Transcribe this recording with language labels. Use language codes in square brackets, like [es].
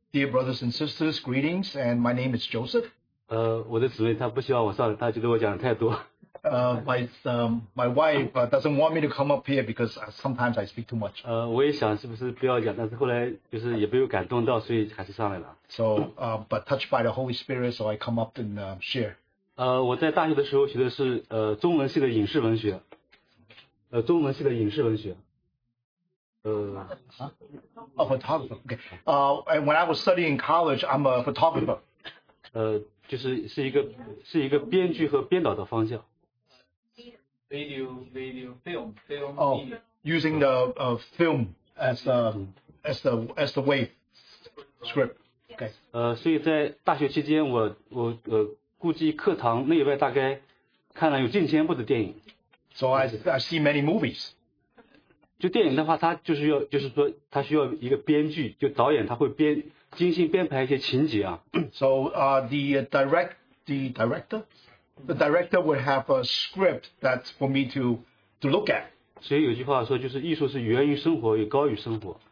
[en] Dear brothers and sisters, greetings, and my name is Joseph. [zh] 我的姊妹她不希望我上来，她觉得我讲的太多。 [en] My wife doesn't want me to come up here because sometimes I speak too much. [zh] 我也想是不是不要讲，但是后来就是也被我感动到，所以还是上来了。 [en] But touched by the Holy Spirit, so I come up and share. [zh] 我在大学的时候学的是中文系的影视文学。中文系的影视文学。 [en] A photographer. Okay. And when I was studying in college, I'm a photographer. [zh] 就是是一个编剧和编导的方向。 [en] Video, film. Using the film as the way script. Okay. [zh] 所以在大学期间我估计课堂内外大概看了有近千部的电影。 [en] So I see many movies. [zh] 就电影的话，它就是要，就是说，它需要一个编剧，就导演他会编，精心编排一些情节啊。 [en] So the director would have a script that for me to look at. [zh] 所以有句话说，就是艺术是源于生活，也高于生活。